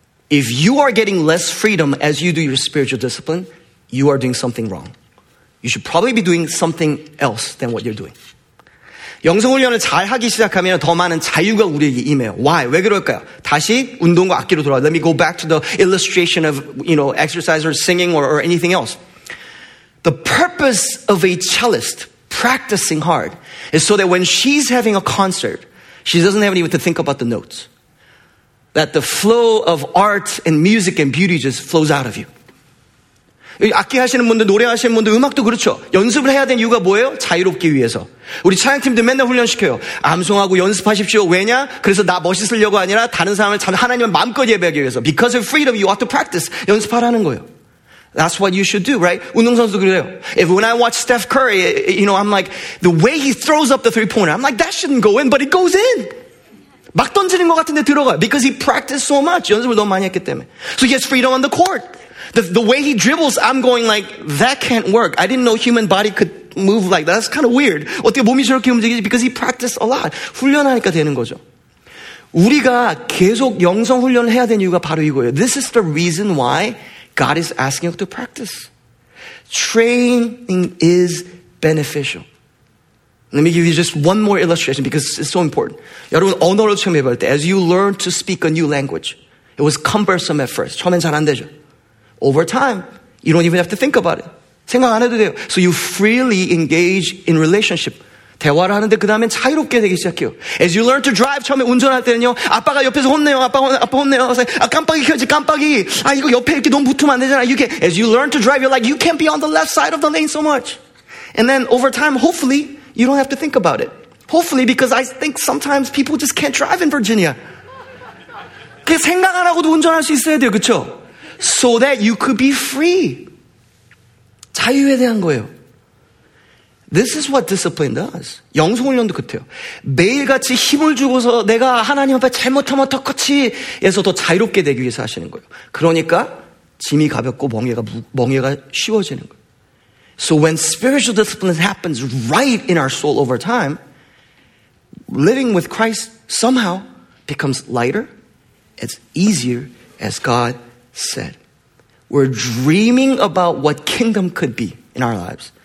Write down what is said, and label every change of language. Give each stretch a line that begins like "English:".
English: If you are getting less freedom as you do your spiritual discipline, you are doing something wrong. You should probably be doing something else than what you're doing.
Korean: 영성훈련을 잘 하기 시작하면 더 많은 자유가 우리에게 임해요.
English: Why?
Korean: 왜 그럴까요? 다시 운동과 악기로 돌아와.
English: Let me go back to the illustration of, you know, exercise or singing or anything else. The purpose of a cellist practicing hard is so that when she's having a concert, she doesn't have anything to think about the notes. That the flow of art and music and beauty just flows out of you.
Korean: 악기 하시는 분들, 노래 하시는 분들, 음악도 그렇죠. 연습을 해야 되는 이유가 뭐예요? 자유롭기 위해서. 우리 찬양팀도 맨날 훈련시켜요. 암송하고 연습하십시오. 왜냐? 그래서 나 멋있으려고 아니라 다른 사람을 하나님을 마음껏 예배하기 위해서.
English: Because of freedom, you ought to practice.
Korean: 연습하라는 거예요.
English: That's what you should do, right?
Korean: 운동선수도 그래요.
English: If when I watch Steph Curry, you know, I'm like, the way he throws up the three-pointer, I'm like, that shouldn't go in, but it goes in.
Korean: 막 던지는 것 같은데 들어가.
English: Because he practiced so much.
Korean: 연습을 너무 많이 했기 때문에.
English: So he has freedom on the court. The way he dribbles, I'm going like, that can't work. I didn't know human body could move like that. That's kind of weird.
Korean: 어떻게 몸이 저렇게 움직이지?
English: Because he practiced a lot.
Korean: 훈련하니까 되는 거죠. 우리가 계속 영성 훈련을 해야 되는 이유가 바로 이거예요.
English: This is the reason why God is asking you to practice. Training is beneficial. Let me give you just one more illustration because it's so important.
Korean: 여러분, 언어를 처음 해볼 때,
English: as you learn to speak a new language, it was cumbersome at first.
Korean: 처음엔 잘 안 되죠.
English: Over time, you don't even have to think about it.
Korean: 생각 안 해도 돼요.
English: So you freely engage in relationship.
Korean: 대화를 하는데 그 다음엔 자유롭게 되기 시작해요.
English: As you learn to drive,
Korean: 처음에 운전할 때는요, 아빠가 옆에서 혼내요, 아빠 혼내요. 아, 깜빡이 켜지, 깜빡이. 아, 이거 옆에 이렇게 너무 붙으면 안 되잖아.
English: You can, as you learn to drive, you're like, you can't be on the left side of the lane so much. And then over time, hopefully, you don't have to think about it. Hopefully, because I think sometimes people just can't drive in Virginia.
Korean: 그 생각 안 하고도 운전할 수 있어야 돼요, 그쵸?
English: So that you could be free.
Korean: 자유에 대한 거예요.
English: This is what discipline does.
Korean: 영성훈련도 그때요. 매일같이 힘을 주고서 내가 하나님 앞에 잘못하면 어떡하지에서 더 자유롭게 되기 위해서 하시는 거예요. 그러니까 짐이 가볍고 멍에가 쉬워지는 거예요.
English: So when spiritual discipline happens right in our soul over time, living with Christ somehow becomes lighter, it's easier, as God said. We're dreaming about what kingdom could be in our lives.